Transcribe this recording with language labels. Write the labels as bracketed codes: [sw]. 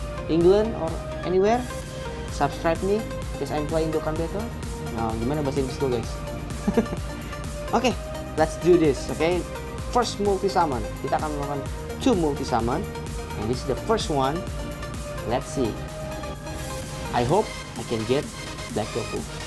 [en] England or anywhere, subscribe nih, because I'm playing Dokkan Battle. [id] Nah, gimana bahasa Inggris tuh, [en] guys? Oke, let's do this. Oke, okay? First multi summon. [id] Kita akan melakukan 2 multi summon. [en] And this is the first one. Let's see. I hope I can get Black Goku.